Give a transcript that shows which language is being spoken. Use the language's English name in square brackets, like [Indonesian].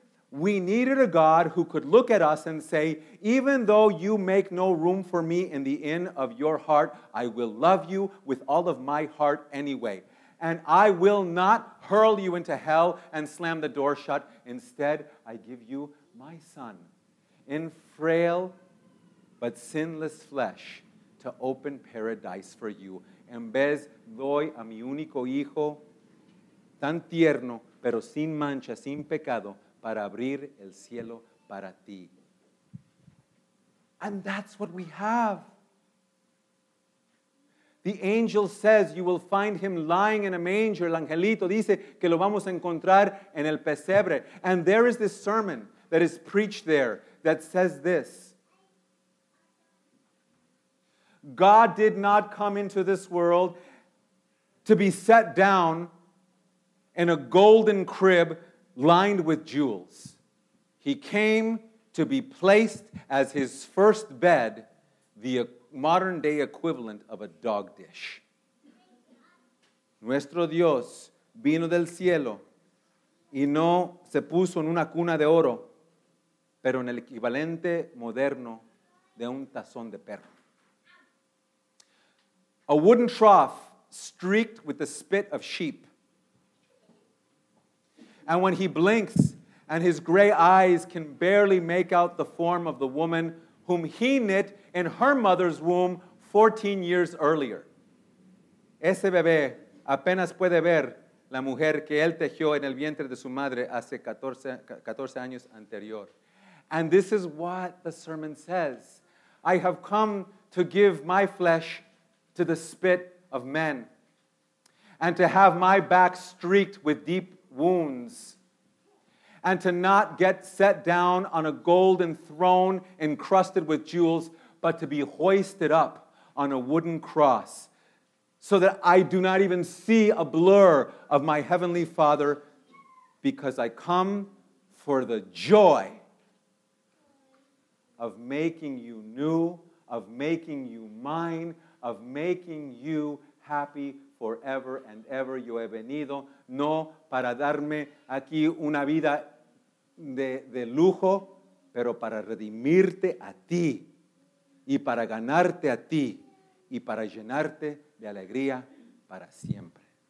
[English] We needed a God who could look at us and say, even though you make no room for me in the inn of your heart, I will love you with all of my heart anyway. And I will not hurl you into hell and slam the door shut. Instead, I give you my son in frail but sinless flesh to open paradise for you. [Spanish] En vez, doy a mi único hijo, tan tierno, pero sin mancha, sin pecado, para abrir el cielo para ti. [English] And that's what we have. The angel says you will find him lying in a manger. [Spanish] El angelito dice que lo vamos a encontrar en el pesebre. [English] And there is this sermon that is preached there that says this. God did not come into this world to be set down in a golden crib lined with jewels. He came to be placed as his first bed, the modern-day equivalent of a dog dish. [Spanish] Nuestro Dios vino del cielo y no se puso en una cuna de oro, pero en el equivalente moderno de un tazón de perro. [English] A wooden trough streaked with the spit of sheep. And when he blinks and his gray eyes can barely make out the form of the woman whom he knit in her mother's womb 14 years earlier. [Spanish] Ese bebé apenas puede ver la mujer que él tejió en el vientre de su madre hace 14 años anterior. [English] And this is what the sermon says. I have come to give my flesh to the spit of men and to have my back streaked with deep wounds and to not get set down on a golden throne encrusted with jewels, but to be hoisted up on a wooden cross so that I do not even see a blur of my heavenly Father, because I come for the joy of making you new, of making you mine, of making you happy forever and ever. [Spanish] Yo he venido no para darme aquí una vida de lujo, pero para redimirte a ti y para ganarte a ti y para llenarte de alegría para siempre.